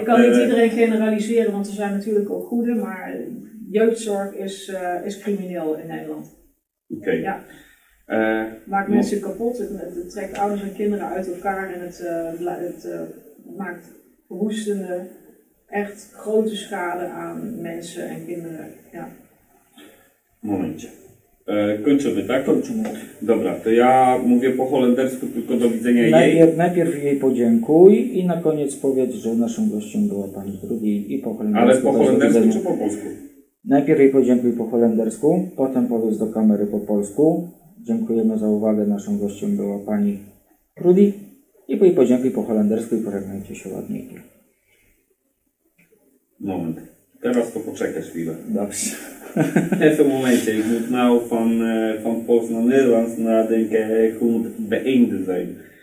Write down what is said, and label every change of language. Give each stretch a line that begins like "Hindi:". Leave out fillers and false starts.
Dutch: Je kan niet iedereen generaliseren, want er zijn natuurlijk ook goede, maar jeugdzorg is, is crimineel in Nederland. Oké. Okay. Ja. Maakt mensen kapot, het trekt ouders en kinderen uit elkaar en het maakt verwoestende... Echt grote schade aan mensen en kinderen, ja. Momentje.
Polish: Kończymy, tak? Kończymy. Dobra, to ja mówię po holendersku, tylko do widzenia najpierw jej podziękuj i na koniec powiedz, że naszym gościem była pani drugi i po holendersku. Ale po holendersku czy po polsku? Najpierw jej podziękuj po holendersku, potem powiedz do kamery po polsku. Dziękujemy za uwagę, naszym gościem była pani Rudy. I po jej podziękuj po holendersku i pożegnajcie się ładnie. Moment. Teraz to poczekasz chwilę. Dobrze. W tym momencie,
Dutch: ik moet nou van Pols naar Nederlands nadenken hoe moet beëindigd zijn.